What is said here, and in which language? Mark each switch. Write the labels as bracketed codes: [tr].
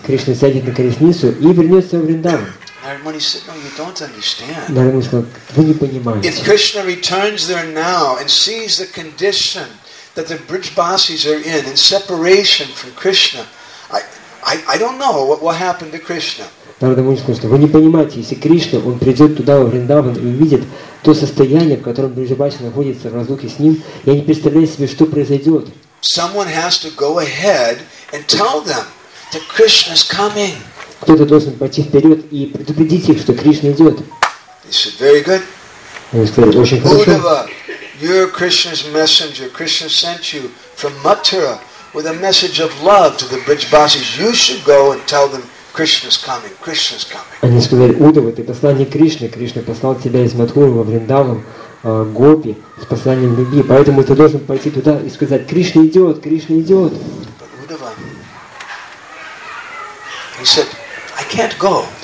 [ru] Кришна сядет на колесницу и вернется в Вриндаван. [en] Narmuni said, no, you don't understand. [ru] Narmuni сказал, вы не понимаете. [en] If Krishna returns there now and sees the condition that the Brijbasis are in separation from Krishna, I don't know what will happen to Krishna. [ru] Narada Muni сказал, что вы не понимаете, если Кришна, он придет туда, в Вриндаван, и увидит то состояние, в котором Брижбаси находится в разлуке с ним, я не представляю себе, что произойдет. [en] Someone has to go ahead and tell them that Krishna is coming. [ru] Кто-то должен пойти вперед и предупредить их, что Кришна идет. [en] He said, very good. [ru] Он сказал, очень хорошо. [en] You're Krishna's messenger. Krishna sent you from Mathura with a message of love to the Brijbasis. You should go and tell them Krishna's coming. Krishna's coming. [ru] Они сказали, Удава, ты посланник Кришны. Кришна послал тебя из Матхуры во Вриндаван, Гопи, с посланием любви. Поэтому ты должен пойти туда и сказать, Кришна идет, Кришна идет. [en] He said, I can't go.